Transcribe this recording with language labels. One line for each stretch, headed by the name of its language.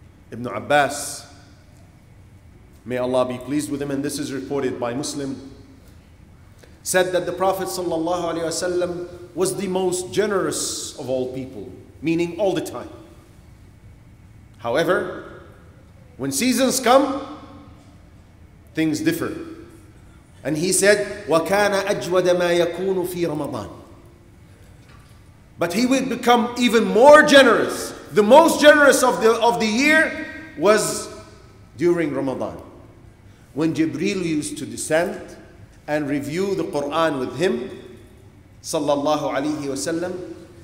English: Ibn Abbas, may Allah be pleased with him, and this is reported by Muslim, said that the Prophet sallallahu alaihi wasallam was the most generous of all people, meaning all the time. However, when seasons come, things differ. And he said,
Arabic: وَكَانَ أَجْوَدَ مَا يَكُونُ فِي رَمَضَانِ.
English: But he would become even more generous. The most generous of the year was during Ramadan, when Jibreel used to descend and review the Quran with him, sallallahu alayhi wasallam.